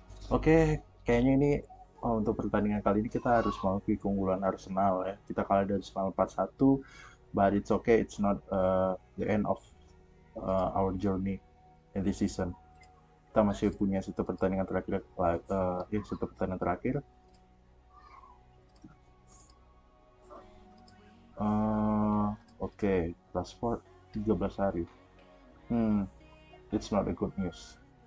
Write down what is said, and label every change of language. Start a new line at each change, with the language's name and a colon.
Indonesian: Oke, kayaknya ini untuk pertandingan kali ini kita harus mengakui keunggulan Arsenal ya. Kita kalah dari Arsenal 4-1,
English: but it's okay, it's not the end of our journey in this season.
Indonesian: Kita masih punya satu pertandingan terakhir, ya satu pertandingan terakhir.
English: Oke, last four,
Indonesian: 13 hari.
English: It's not a good news.